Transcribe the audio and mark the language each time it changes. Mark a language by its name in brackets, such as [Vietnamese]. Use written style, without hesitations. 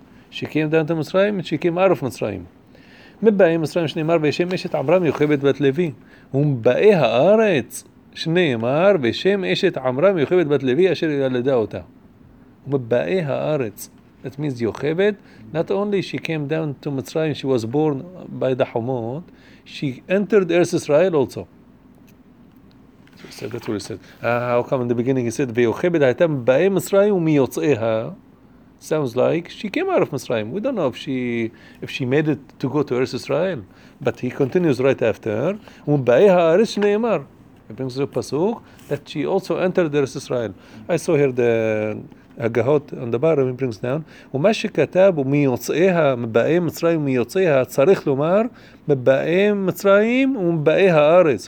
[Hebrew] שיקים דנת מצרים, שיקים ערף מצרים. מבאי מצרים שנאמר בשם אשת עמרם יוכבת בת לוי, ומבאי הארץ שנאמר בשם אשת עמרם יוכבת בת לוי אשר ילדה אותה. ומבאי הארץ, [English] that means יוכבת, not only she came down to Mitzrayim, she was born by the Hamot, she entered Eretz Israel also. So that's what he said. How come in the beginning he said, [Hebrew] ויוכבת הייתה מבאי מצרים ומיוצאיה? [English] Sounds like she came out of Mitzrayim. We don't know if she made it to go to Eretz Israel. But he continues right after, [Hebrew] ומבאי הארץ שנאמר. [English] It brings the pasuk that she also entered Eretz Israel. I saw here the הגהות on the bottom, he brings down. [Hebrew] ומה שכתב ומיוצאיה, מבאי מצרים ומיוצאיה, צריך לומר, מבאי מצרים ומבאי הארץ.